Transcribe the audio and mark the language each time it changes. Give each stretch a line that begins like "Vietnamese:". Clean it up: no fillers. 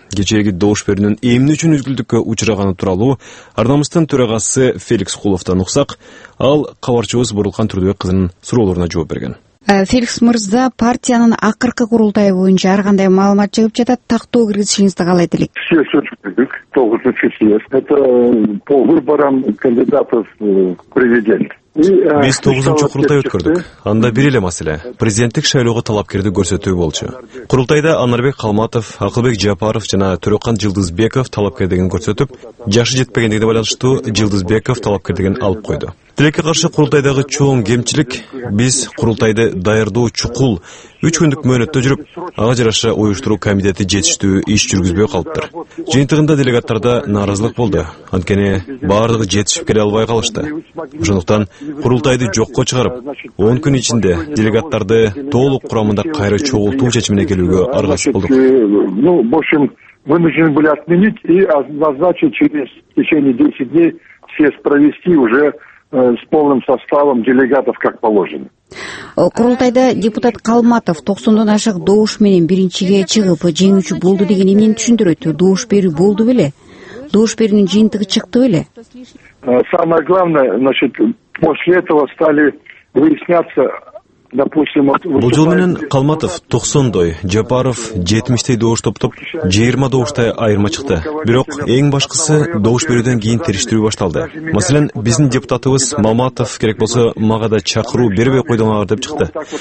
Kyrgyz: Кечээки добуш берүүнүн эмне үчүн үзгүлтүккө учураганы тууралуу арнамыздын төрагасы Феликс Куловдон уксак, ал кабарчыбыз Бурулкан Турдубек кызынын суроолоруна жооп берген. Феликс мырза, партиянын акыркы курултайы боюнча ар кандай маалымат чыгып жатат, тактоо киргизишиңизди каалайт элек.
Russian: Это по выборам кандидатов президент.
Kyrgyz: Биз 9-чу курултай өткөрдүк. Анда бир эле маселе: президенттик шайлоого талапкерди көрсөтүү болчу. Курултайда Анарбек Калматов, Акылбек Жапаров жана Төрөкан Жылдызбеков талапкер деген көрсөтүп, жашы жетпегендигине байланыштуу Жылдызбеков талапкер деген алып койду. Тилекке каршы курултайдагы чоң кемчилик: биз курултайды даярдоо чукул 3 күндүк мөөнөттө жүрүп, ага жараша уюштуруу комитети жетиштүү иш жүргүзбөй калыптыр. Жыйынтыгында делегаттарда нааразылык болду, анткени баардыгы жетишип келе албай калышты. Ошондуктан курултайды жокко чыгарып, 10 күн ичинде делегаттарды толук курамында кайра чогултуу чечимине келүүгө аргасыз болдук.
Russian: Ну, в общем, вынуждены были отменить и назначить через течение 10 дней съезд провести уже с полным составом делегатов, как положено.
Kyrgyz: Курултайда депутат Калматов 90-дон ашык добуш менен биринчиге чыгып, жеңүүчү болду деген эмнени түшүндүрөт? Добуш берүү болду беле? Добуш берүүнүн жыйынтыгы чыкты беле?
Russian: Самое главное, значит, после этого стали выясняться.
Kyrgyz: Бул жыл менен Калматов 90-дой, Жапаров 70-дей добуш топтоп, 20 добуштай айырма чыкты. Бирок эң башкысы добуш берүүдөн кийин териштирүү башталды. Маселен, биздин депутатыбыз Малматов керек болсо мага да чакыруу бербей койдуңар деп чыкты.